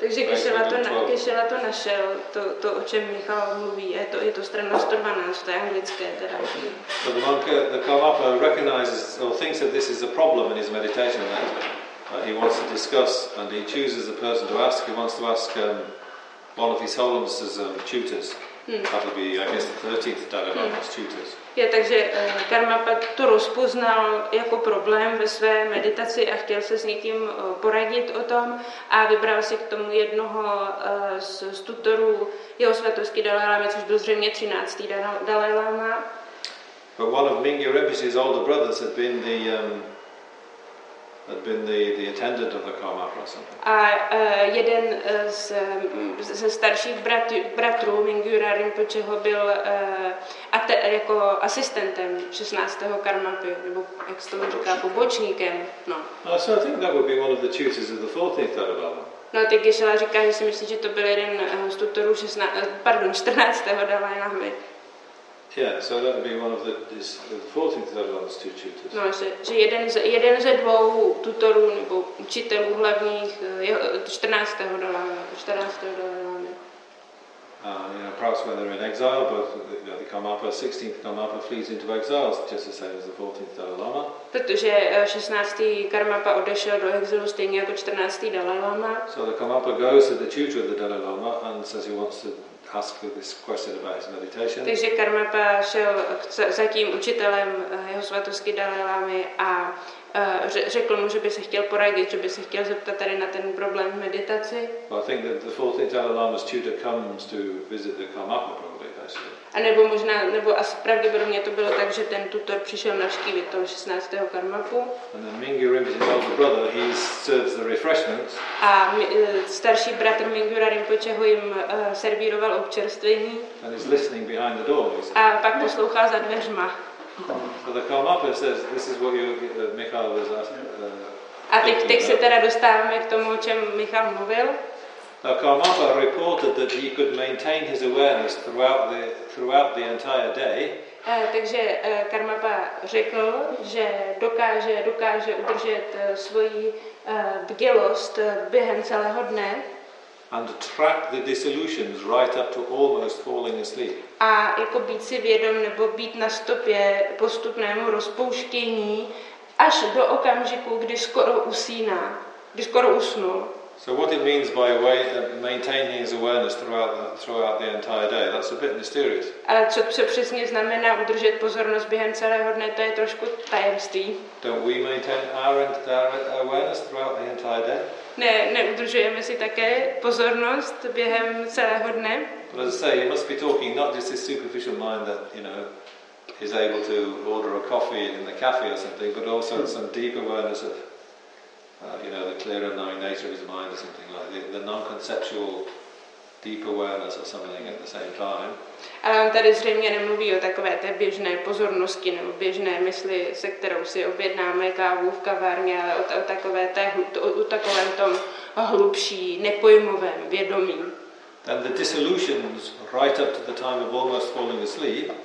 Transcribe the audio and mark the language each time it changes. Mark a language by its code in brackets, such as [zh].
[cs] Takže Kešela to našel, to o čem Michal mluví, je to strana 112, to je anglické teda. [en] So the monk, the karmapa recognizes or thinks that this is a problem in his meditation, that he wants to discuss, and he chooses a person to ask. He wants to ask one of his holiness's tutors. That would be, I guess, the 13th Dalai Lama's tutors. [cs] Je, takže karmapa to rozpoznal jako problém ve své meditaci a chtěl se s někým poradit o tom a vybral si k tomu jednoho z tutorů jeho svatosti Dalai Lama, což byl zřejmě 13. Dalai Lama. [en] But one of Mingyi Rinpoche's older brothers had been the attendant of the karmapa or something. [cs] A jeden ze starších bratrů Mingyura Rinpocheho byl jako asistentem 16. karmapy, nebo jak se tomu říká, pobočníkem. No. [en] So I think that would be one of the tutors of the 14th Dalai Lama. [cs] No, tak Gishela říká, že si myslí, že to byl jeden z tutorů 14. Dalai Lama. [en] Yeah, so that would be one of the 14th Dalai Lama's two tutors. [cs] No, že jeden ze dvou tutorů nebo učitelů hlavních 14. Dalai Lama. [en] you know, perhaps when they're in exile, but you know, the Karmapa, 16th Karmapa flees into exile, just the same as the 14th Dalai Lama. [cs] Protože 16. Karmapa odešel do exilu stejně jako 14. Dalai Lama. [en] So the Karmapa goes to the tutor of the Dalai Lama and says he wants to ask this question about his meditation. [cs] Takže Karmapa šel za tím učitelem jeho svatosti Dalai Lamy a řekl mu, že by se chtěl poradit, že by se chtěl zeptat tady na ten problém meditaci. [en] Well, I think that the 14th Dalai Lama's tutor comes to visit the Karmapa probably, actually. [cs] A nebo možná, nebo asi pravděpodobně to bylo tak, že ten tutor přišel navštívit toho 16. Karmapu. [en] And then Mingyu Rinpoche's older brother, he serves the refreshments. [cs] A starší bratr Mingyura Rinpoche ho jim servíroval občerstvení. [en] And he's listening behind the door, he said. [cs] A pak poslouchá za dveřma. [en] So the Karmapa says, this is what you, Michal was asking. [cs] A teď se teda dostáváme k tomu, o čem Michal mluvil. [en] Now Karmapa reported that he could maintain his awareness throughout the entire day. [cs] Takže Karmapa řekl, že dokáže udržet svoji bdělost během celého dne. [en] And track the dissolutions right up to almost falling asleep. [cs] A jako být si vědom nebo být na stopě postupnému rozpouštění až do okamžiku, kdy skoro usíná, kdy skoro usnul. [en] So what it means by way of maintaining his awareness throughout the entire day, that's a bit mysterious. [cs] Ale co to přesně znamená udržet pozornost během celého dne, to je trošku tajemství. [en] Don't we maintain our awareness throughout the entire day? [cs] Ne, neudržujeme si také pozornost během celého dne. [en] But as I say, you must be talking not just his superficial mind that, you know, is able to order a coffee in the cafe or something, but also some deep awareness of you know, the clearer knowing nature of his mind or something like that, the non-conceptual deep awareness or something at the same time. [cs] Ale on tady zřejmě nemluví o takové té běžné pozornosti nebo běžné mysli, se kterou si objednáme kávu v kavárně, ale o takovém tom hlubší, nepojmovém vědomí. [en] And the dissolutions right up to the time of almost falling asleep.